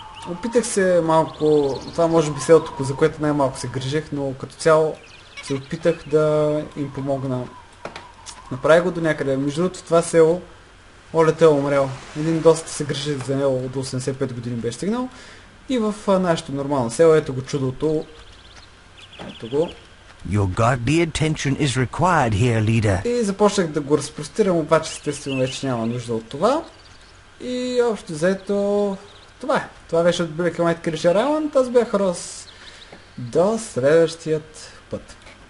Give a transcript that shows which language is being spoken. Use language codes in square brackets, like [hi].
[bg] Опитах се малко, това може би селото, за което най-малко се грижех, но като цяло се опитах да им помогна. Направи го до някъде. Между другото, това село, Олет е умрел. Един доста се грижи за него, до 85 години беше стигнал. И в нашето нормално село, ето го чудото. Ето го. [en] Your godly attention is required here, leader. [bg] И започнах да го разпростирам, обаче естествено вече няма нужда от това. И общо заето, това е. Това беше от Black and White Creature Island. Аз бях Рос. До следващият път.